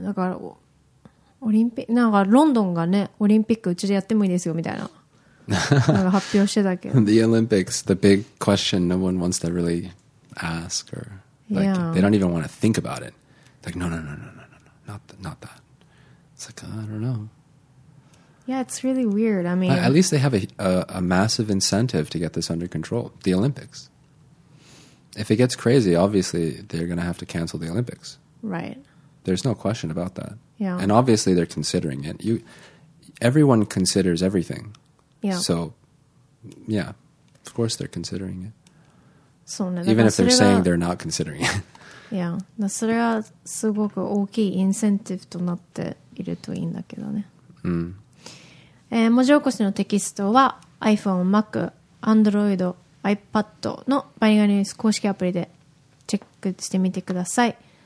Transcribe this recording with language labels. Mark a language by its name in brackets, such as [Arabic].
[Japanese] だから、オリンピック、なんかロンドンがね、オリンピックうちでやってもいいですよ、みたいな。なんか発表してたけど。 [English] The Olympics, the big question, no one wants to really... ask or like、 yeah. they don't even want to think about it like no not that it's like I don't know yeah it's really weird I mean at least they have a massive incentive to get this under control the Olympics if it gets crazy obviously they're gonna have to cancel the Olympics right there's no question about that yeah and obviously they're considering it you everyone considers everything yeah so yeah of course they're considering it [Japanese] そうね、 [English] Even if they're saying they're not considering it. [Japanese] Yeah, だそれはすごく大きいインセンティブとなっているといいんだけどね。うん。文字起こしのテキストは iPhone、Mac、Android、iPad のバイリンガルニュース公式アプリでチェックしてみてください。